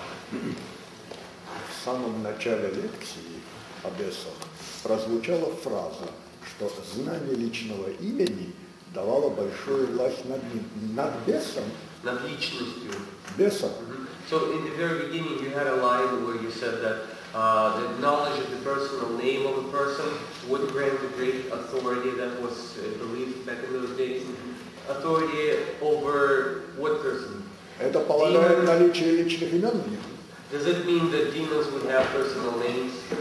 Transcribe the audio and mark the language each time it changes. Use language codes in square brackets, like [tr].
[ru] В самом начале лекции о бесах прозвучала фраза, что знание личного имени давало большую власть над ним, над бесом. Над личностью. Бесом. [en] So in the very beginning you had a line where you said that the knowledge of the personal name of a person would grant the great authority that was believed back in those days. Authority over what person? [ru] Это полагает наличие личных имен в них. [en] Does it mean that demons would have personal names?